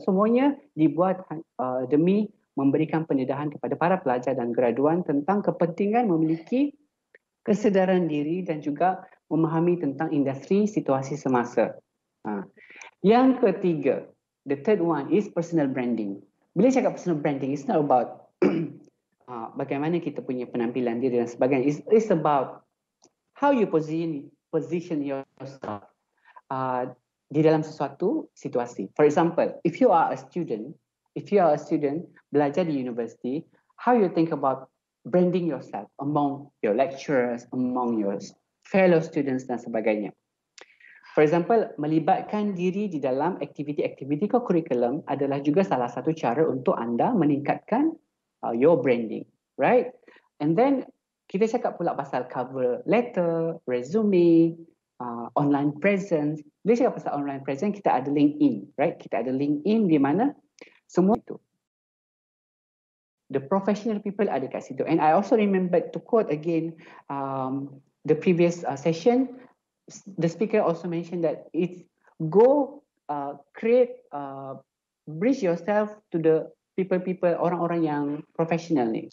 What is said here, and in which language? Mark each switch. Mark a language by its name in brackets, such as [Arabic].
[Malay] Semuanya dibuat demi memberikan pendedahan kepada para pelajar dan graduan tentang kepentingan memiliki kesedaran diri dan juga memahami tentang industri situasi semasa. Yang ketiga, [English] the third one is personal branding. [Malay] Bila cakap personal branding, [English] it's not about [Malay] bagaimana kita punya penampilan diri dan sebagainya. [English] It's about how you position yourself [Malay] di dalam sesuatu situasi. [English] For example, if you are a student [Malay] belajar di [English] university, how you think about branding yourself among your lecturers, among your fellow students [Malay] dan sebagainya. [English] For example, [Malay] melibatkan diri di dalam aktiviti-aktiviti kurikulum adalah juga salah satu cara untuk anda meningkatkan [English] your branding, right? And then, [Malay] kita cakap pula pasal cover letter, resume, online presence. Bila cakap pasal online presence, kita ada LinkedIn, right? Kita ada LinkedIn di mana semua itu. [English] The professional people [Malay] ada kat situ. [English] And I also remember to quote again the previous session, the speaker also mentioned that it's go create bridge yourself to the people [Malay] orang-orang yang professional ni.